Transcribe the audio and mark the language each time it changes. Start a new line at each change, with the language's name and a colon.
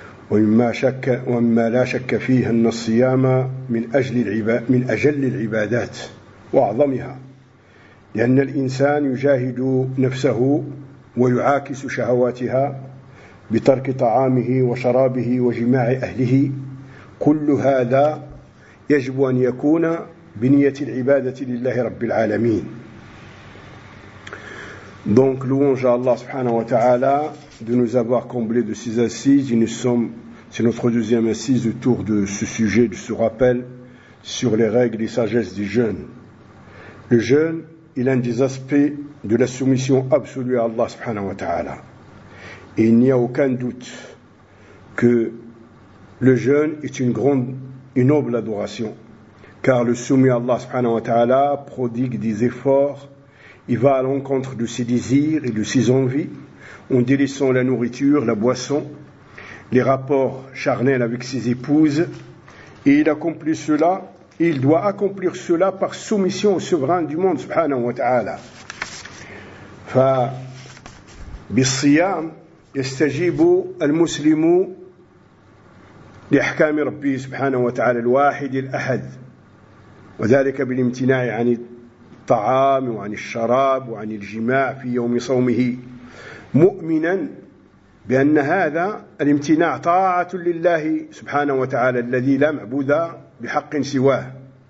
Arabic: ومما لا شك فيه أن الصيام من أجل العبادات وأعظمها، لأن الإنسان يجاهد نفسه ويعاكس شهواتها بترك طعامه وشرابه وجماع أهله. كل هذا يجب أن يكون بنية العبادة لله رب العالمين.
French: Donc louange à Allah subhanahu wa ta'ala de nous avoir comblé de ces assises. C'est notre deuxième assise autour de ce sujet, de ce rappel sur les règles et sagesses du jeûne. Le jeûne est l'un des aspects de la soumission absolue à Allah subhanahu wa ta'ala. Et il n'y a aucun doute que le jeûne est une noble adoration, car le soumis à Allah subhanahu wa ta'ala prodigue des efforts. Il va à l'encontre de ses désirs et de ses envies, en délaissant la nourriture, la boisson, les rapports charnels avec ses épouses, et il accomplit cela, et il doit accomplir cela par soumission au souverain du monde subhanahu wa ta'ala.
Arabic: Fa bis-siyam yastajibu al-muslimu لأحكام ربي سبحانه وتعالى الواحد الأحد، وذلك بالامتناع عن الطعام وعن الشراب وعن الجماع في يوم صومه، مؤمنا بأن هذا الامتناع طاعة لله سبحانه وتعالى الذي لا معبود بحق سواه.